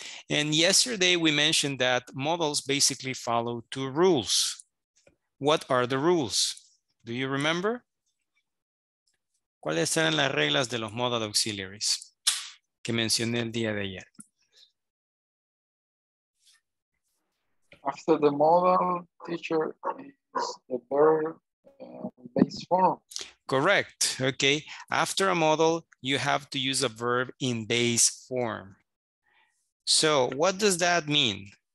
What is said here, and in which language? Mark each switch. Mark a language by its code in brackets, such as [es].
[en] And yesterday we mentioned that modals basically follow two rules. What are the rules? Do you remember? [es] ¿Cuáles eran las reglas de los modal auxiliaries que mencioné el día de ayer? [en] After the modal, teacher, is the verb base form. Correct. Okay. After a modal, you have to use a verb in base form. So what does that mean?